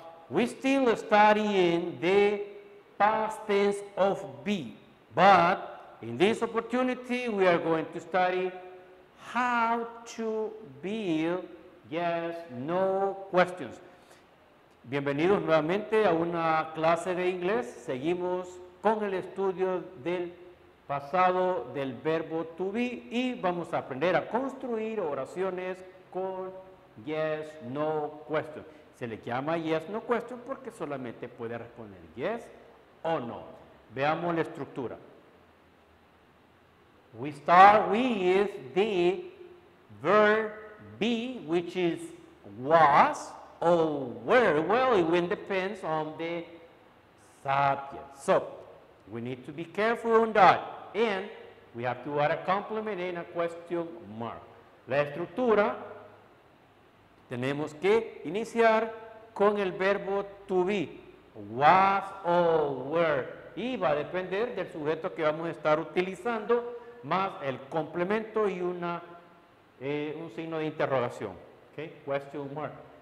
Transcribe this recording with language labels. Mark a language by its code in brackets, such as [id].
[en] We still study in the past tense of be, but in this opportunity we are going to study how to build yes, no questions. [es] Bienvenidos nuevamente a una clase de inglés. Seguimos con el estudio del pasado del verbo to be y vamos a aprender a construir oraciones con yes, no questions. Se le llama yes, no question porque solamente puede responder yes o no. Veamos la estructura. [en] We start with the verb be, which is was or were. Well, it will depend on the subject. So, we need to be careful on that. And we have to add a complement and a question mark. [es] La estructura, tenemos que iniciar con el verbo to be, was or were, y va a depender del sujeto que vamos a estar utilizando, más el complemento y una, un signo de interrogación, okay? Question mark.